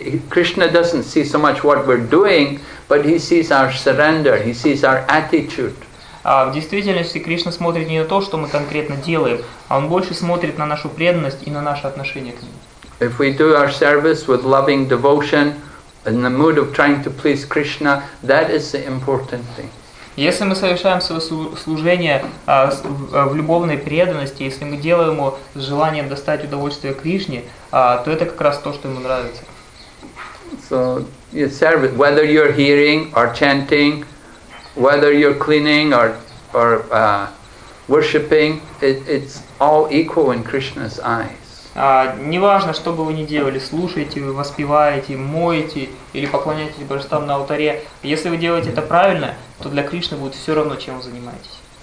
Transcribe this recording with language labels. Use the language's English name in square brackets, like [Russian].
[English] Krishna doesn't see so much what we're doing, but he sees our surrender. He sees our attitude. [Russian] В действительности Кришна смотрит не на то, что мы конкретно делаем, а он больше смотрит на нашу преданность и на наше отношение к нему. [English] If we do our service with loving devotion in the mood of trying to please Krishna, that is the important thing. [Russian] Если мы совершаем свое служение в любовной преданности, если мы делаем его с желанием достать удовольствие Кришне, то это как раз то, что ему нравится. [English] So, your service, whether you're hearing or chanting, whether you're cleaning or worshipping, it's all equal in Krishna's eyes. [Russian] Неважно, что бы вы ни делали, слушаете, воспеваете, моете или поклоняетесь божествам на алтаре, если вы делаете это правильно, то для Кришны будет все равно, чем вы занимаетесь.